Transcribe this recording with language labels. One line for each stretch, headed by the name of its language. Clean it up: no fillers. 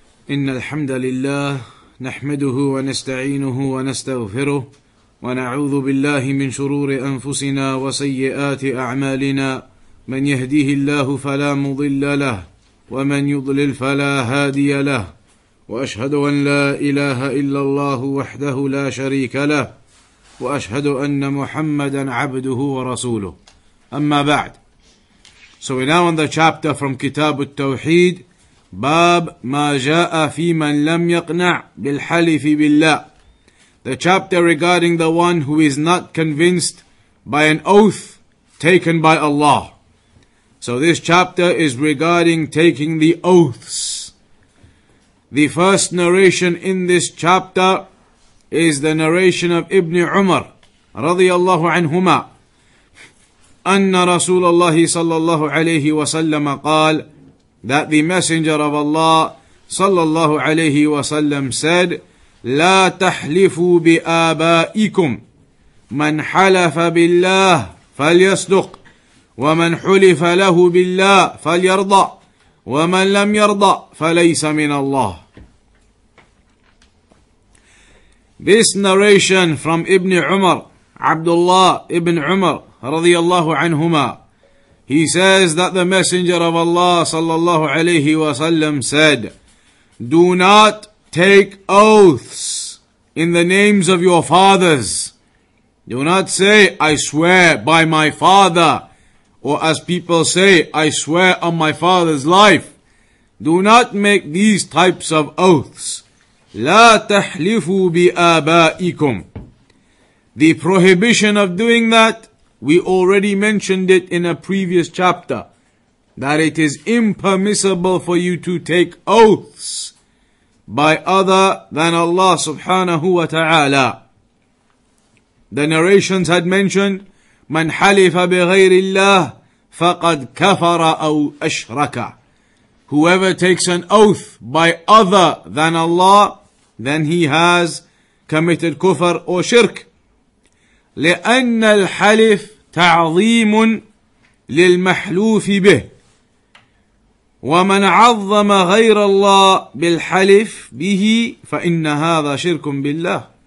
Arabic: إن الحمد لله نحمده ونستعينه ونستغفره ونعوذ بالله من شرور أنفسنا وسيئات أعمالنا من يهديه الله فلا مضل له ومن يضلل فلا هادي له وأشهد أن لا إله إلا الله وحده لا شريك له وأشهد أن محمدا عبده ورسوله أما بعد.
English: So we're now on the chapter from Kitab التوحيد
Arabic: باب ما جاء في من لم يقنع بالحلف بالله.
English: The chapter regarding the one who is not convinced by an oath taken by Allah. So this chapter is regarding taking the oaths. The first narration in this chapter is the narration of Ibn Umar
Arabic: رضي الله عنهما أن رسول الله صلى الله عليه وسلم قال,
English: that the Messenger of Allah
Arabic: صلى الله عليه وسلم
English: said,
Arabic: لا تحلفوا بآبائكم من حلف بالله فليصدق ومن حلف له بالله فليرضى ومن لم يرضى فليس من الله.
English: This narration from Ibn Umar, Abdullah Ibn Umar radiyallahu anhuma, he says that the Messenger of Allah sallallahu alayhi wa sallam said, do not take oaths in the names of your fathers. Do not say, I swear by my father, or as people say, I swear on my father's life. Do not make these types of oaths.
Arabic: لا تحلفوا بآبائكم.
English: The prohibition of doing that, we already mentioned it in a previous chapter, that it is impermissible for you to take oaths by other than Allah subhanahu wa ta'ala. The narrations had mentioned,
Arabic: من حلف بغير الله فقد كفر أو أشرك.
English: Whoever takes an oath by other than Allah, then he has committed kufr or shirk.
Arabic: لِأَنَّ الْحَلِفْ تَعْظِيمٌ لِلْمَحْلُوفِ بِهِ وَمَنْ عَظَّمَ غَيْرَ اللَّهِ بِالْحَلِفْ بِهِ فَإِنَّ هَذَا شِرْكٌ بِاللَّهِ.